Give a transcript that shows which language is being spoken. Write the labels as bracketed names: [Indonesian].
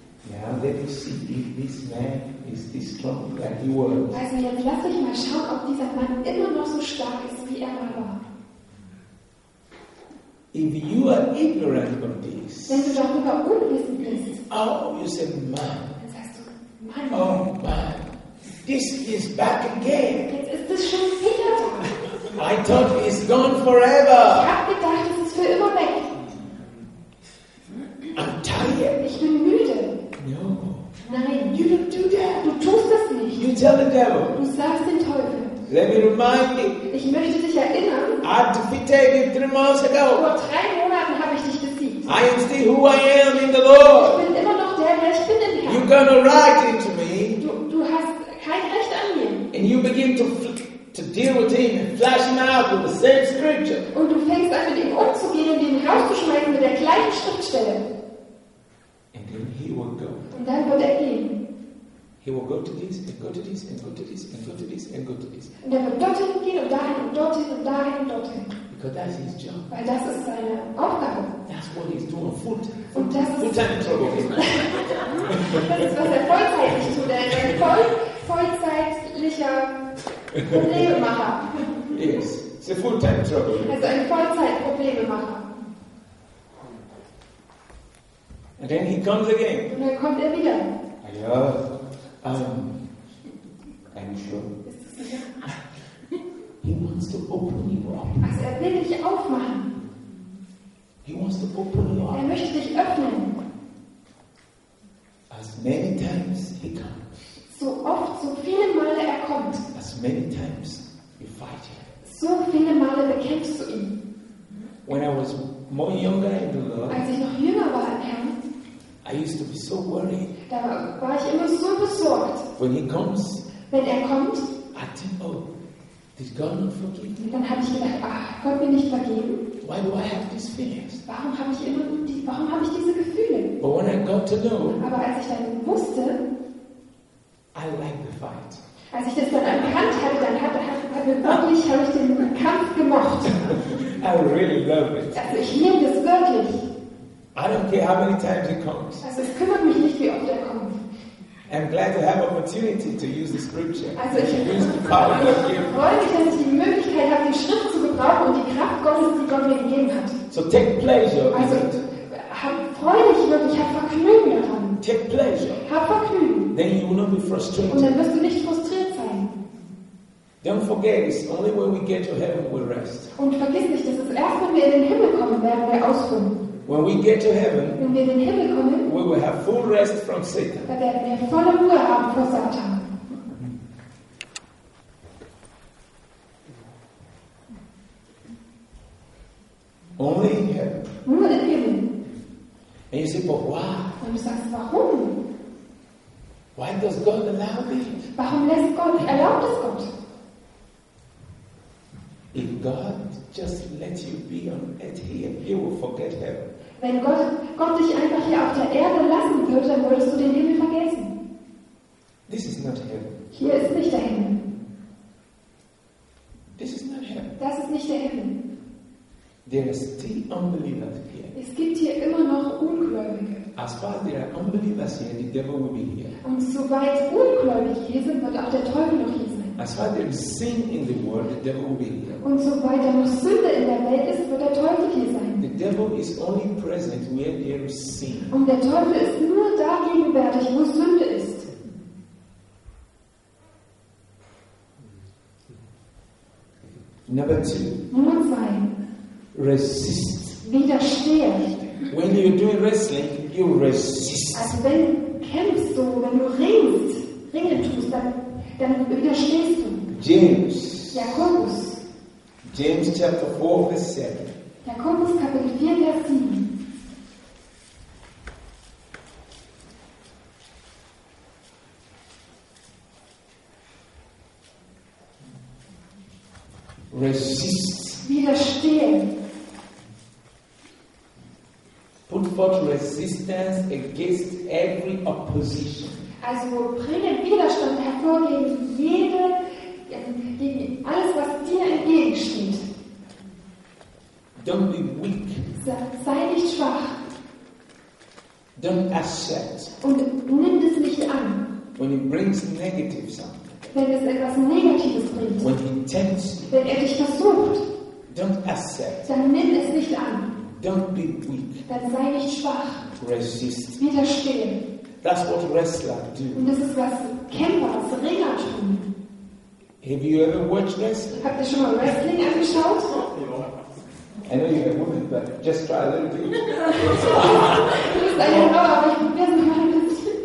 [English] Now let me see if this man is this strong that he was. [German] Also jetzt lass mich mal schauen, ob dieser Mann immer noch so stark ist, wie er mal war. [English] If you are ignorant of this, [German] wenn du darüber unwissend bist, [English] oh, you say, man, [German] dann sagst du, Mann, [English] oh man, this is back again. [German] Jetzt ist es schon wieder da. [English] I thought it's gone forever. [German] Ich hab gedacht, es ist für immer weg. [English] I'm tired. [German] Ich bin müde. [English] No. [German] Nein. [English] You don't do that. [German] Du tust das nicht. [English] You tell the devil. [German] Du sagst den Teufel. [English] Let me remind you. [German] Ich möchte dich erinnern. [English] I defeated you 3 months ago. [German] Vor 3 Monaten habe ich dich besiegt. [English] I am still who I am in the Lord. [German] Ich bin immer noch der, der ich bin in Herrn. [English] You got no right into me. [German] Du hast kein Recht an mir. [English] And you begin to deal with him and flashing out with the same scripture. [German] Und du fängst an, mit ihm umzugehen und ihn rauszuschmeißen mit der gleichen Schriftstelle. [English] And then he will go. [German] Und dann wird er gehen. [English] He will go to this and go to this and go to this and go to this and go to this. [German] Und er wird dorthin gehen und dahin und dorthin und dahin und dorthin. [English] Because that's his job. [German] Weil das ist seine Aufgabe. [English] That's what he's doing full time. [German] Und das [English] full time [German] ist das ist was er vollzeitlich tut. Er ist ein vollzeitlicher Problemmacher. [English] Yes, it's a full time trouble. [German] Er ist ein Vollzeit Problemmacher. [English] And then he comes again. [German] Und dann kommt er wieder. [English] Ja. I'm sure. He wants to open you up. [German] Also er will dich aufmachen. [English] He wants to open you up. [German] Er möchte dich öffnen. [English] As many times he comes. [German] So oft, so viele Male er kommt. [English] As many times you fight him. [German] So viele Male bekämpfst du ihn. [English] When I was more younger in the Lord, [German] als ich noch jünger war im Herrn, [English] I used to be so worried. [German] Da war ich immer so besorgt. [English] When he comes, [German] wenn er kommt, [English] I think, oh, did God not forgive me? [German] Dann habe ich gedacht, ah, Gott mir nicht vergeben. [English] Why do I have these feelings? [German] Warum habe ich diese Gefühle? [English] But when I got to know, [German] aber als ich dann wusste, [English] I like the fight. [German] Als ich das dann erkannt hatte, dann habe ich wirklich den Kampf gemocht. [English] I really love it. [German] Also, ich liebe das wirklich. [English] I don't care how many times it comes. [German] Also, es kümmert mich nicht, wie oft er kommt. [English] I'm glad to have opportunity to use the scripture. [German] Also, ich freue mich, dass ich die Möglichkeit habe, die Schrift zu gebrauchen und die Kraft Gottes, die Gott mir gegeben hat. [English] So take pleasure. [German] Also, freue dich wirklich, hab Vergnügen daran. [English] Take pleasure. [German] Hab Vergnügen. [English] Then you will not be frustrated. [German] Und dann wirst du nicht frustriert sein. [English] Don't forget, it's only when we get to heaven we rest. [German] Und vergiss nicht, dass es erst, wenn wir in den Himmel kommen, werden wir ausruhen. [English] When we get to heaven, [German] wenn wir in den Himmel kommen, [English] we will have full rest from Satan. [German] Da werden wir volle Ruhe haben vor Satan. [English] Only in heaven. [German] Nur in Himmel. [English] And you say, but why? [German] Und du sagst, warum? [English] Why does God allow me? [German] Warum lässt Gott, erlaubt es Gott? [English] If God just let you be on earth here, you will forget heaven. [German] Wenn Gott dich einfach hier auf der Erde lassen würde, dann würdest du den Himmel vergessen. [English] This is not heaven. [German] Hier ist nicht der Himmel. [English] This is not heaven. [German] Das ist nicht der Himmel. [English] There are still unbelievers here. [German] Es gibt hier immer noch Ungläubige. [English] As far as there are unbelievers here, the devil will be here. [German] Und soweit Ungläubige hier sind, wird auch der Teufel noch hier sein. [English] As far as there is sin in the world, the devil will be here. [German] Und soweit noch Sünde in der Welt ist, wird der Teufel hier sein. [English] The devil is only present where there is sin. [German] Und der Teufel ist nur da gegenwärtig, wo Sünde ist. [English] Number two. [German] Nummer zwei. [English] Resist. [German] Widerstehe. [English] When you're doing wrestling, you resist. [German] Also wenn kämpfst du, wenn du Ringe tust, dann widerstehst du. [English] James. [German] Jakobus. [English] James chapter 4, verse 7. [German] Jakobus Kapitel 4, Vers 7. [English] Resist. [German] Widerstehe. [English] Put forth resistance against every opposition. [German] Also bringe Widerstand hervor gegen alles, was dir entgegensteht. [English] Don't be weak. [German] Sei nicht schwach. [English] Don't accept. [German] Und nimm das nicht an. [English] When it brings negative something. [German] Wenn es etwas Negatives bringt. [English] When it tempts. [German] Wenn er dich versucht. [English] Don't accept. [German] Dann nimm es nicht an. [English] Don't be weak. [German] Dann sei nicht schwach. [English] Resist. [German] Widerstehe. [English] That's what wrestlers do. [German] Und das ist, was Kämpfer, was Ringer tun. [English] Have you ever watched wrestling? [German] Habt ihr schon mal Wrestling angeschaut? [English] I know you're a woman, but just try a little bit. [German] Du bist eine Frau, aber ich probiere es mal ein bisschen.